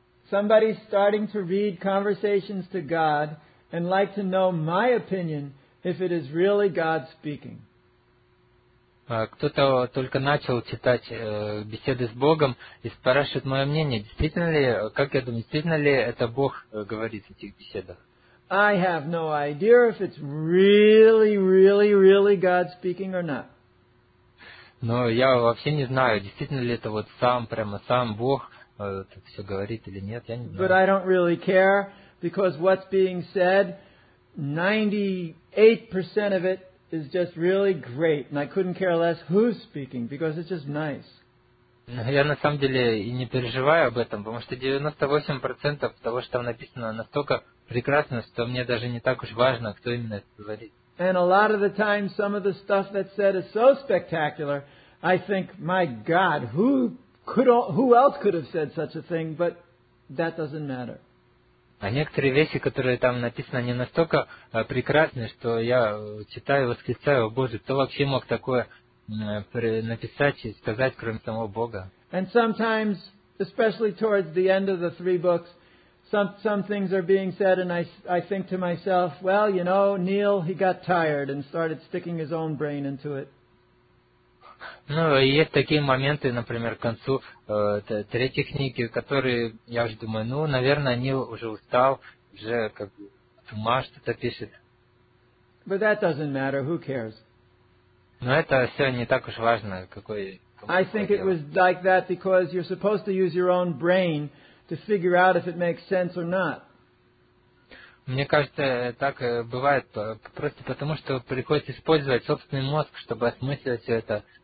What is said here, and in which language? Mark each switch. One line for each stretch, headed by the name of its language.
English: Somebody's starting to read Conversations to God and like to know my opinion if it is really God speaking.
Russian: Кто-то только начал читать беседы с Богом и спрашивает мое мнение, действительно ли, как я думаю, действительно ли это Бог говорит в этих беседах?
English: I have no idea if it's really, really, really God speaking or not.
Russian: Но я вообще не знаю, действительно ли это вот сам Бог все говорит или нет, я не знаю.
English: But I don't really care, because what's being said, 98% of it is just really great, and I couldn't care less who's speaking, because it's just nice.
Russian: Я на самом деле и не переживаю об этом, потому что 98% того, что там написано, настолько прекрасно, что мне даже не так уж важно, кто именно это говорит.
English: And a lot of the time, some of the stuff that's said is so spectacular, I think, my God, who else could have said such a thing, but that doesn't matter.
Russian: А некоторые вещи, которые там написаны, они настолько прекрасны, что я читаю и восклицаю, о Боже, кто вообще мог такое написать и сказать, кроме самого Бога?
English: And sometimes, especially towards the end of the three books, some things are being said, and I think to myself, well, you know, Neil, he got tired and started sticking his own brain into it.
Russian: Ну, есть такие моменты, например, к концу третьей книги, которые я уже думаю, ну, наверное, Нил уже устал, уже как бы ума что-то пишет.
English: But that doesn't matter, who cares?
Russian: Но это все не так уж важно, какой.
English: I think it was like that because you're supposed to use your own brain to figure out if it makes sense or not.
Russian: Мне кажется, так бывает просто потому, что приходится использовать собственный мозг, чтобы осмыслить все это.